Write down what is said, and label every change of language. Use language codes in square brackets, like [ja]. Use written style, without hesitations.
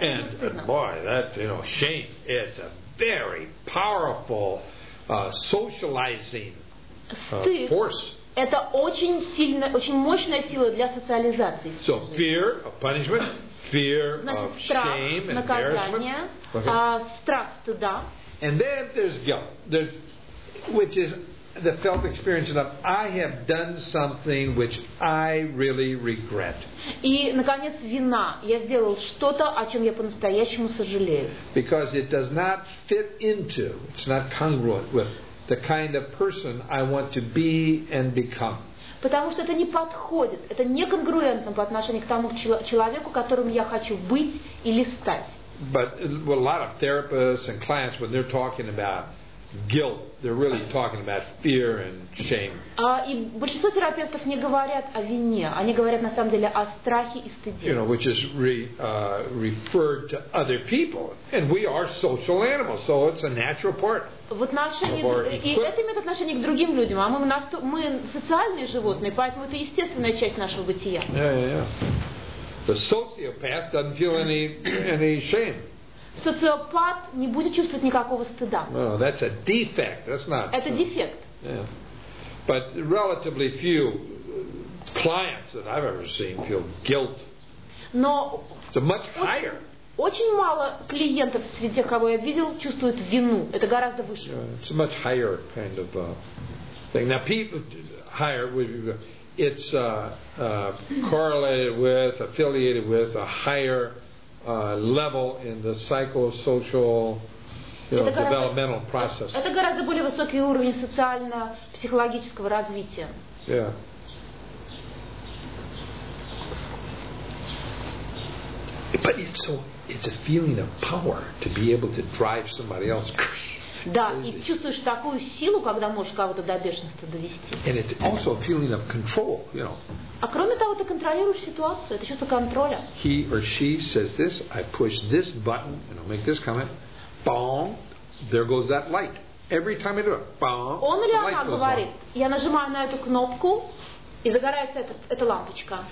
[en] And boy, that, you know, shame, it's a very powerful socializing force. [ru] Это очень сильная, очень мощная сила для социализации. [en] So fear of punishment, fear of shame and embarrassment. [ru] Страх стыда. [en] And then there's guilt, which is the felt experience of I have done something which I really regret. [ru] И наконец вина. Я сделал что-то, о чем я по-настоящему сожалею. [en] Because it does not fit into, it's not congruent with the kind of person I want to be and become. [ru] Потому что это не подходит, это не конгруентно по отношению к тому человеку, которым я хочу быть или стать. [en] But a lot of therapists and clients when they're talking about guilt, they're really talking about fear and shame. [ru] И большинство терапевтов не говорят о вине, они говорят на самом деле о страхе и стыде. [en] You know, which is referred to other people, and we are social animals, so it's a natural part. [ru] В отношении и это имеет отношение к другим людям, а мы социальные животные, поэтому это естественная часть нашего бытия. [en] The sociopath doesn't feel any shame. [ru] Социопат не будет чувствовать никакого стыда. [en] No, that's a defect. That's not. [ru] Это дефект. [en] Yeah. But relatively few clients that I've ever seen feel guilt. [ru] Но [en] so much higher. [ru] Очень мало клиентов среди тех, кого я видел, чувствуют вину. Это гораздо выше. [en] It's a much higher kind of thing. Now people higher would be, it's correlated with, affiliated with a higher level in the psychosocial, you know, developmental process. [ru] Это гораздо более высокий уровень социально-психологического развития. [en] Yeah. But it's so, it's a feeling of power to be able to drive somebody else crazy. [ru] Да, и чувствуешь такую силу, когда можешь кого-то до бешенства довести. [en] And it's also a feeling of control, you know. [ru] А кроме того, ты контролируешь ситуацию, это чувство контроля. [en] He or she says this, I push this button, and I'll make this comment, boom, there goes that light. Every time I do it, boom, the light goes on. [ru] Он или она говорит, я нажимаю на эту кнопку, и загорается эта лампочка.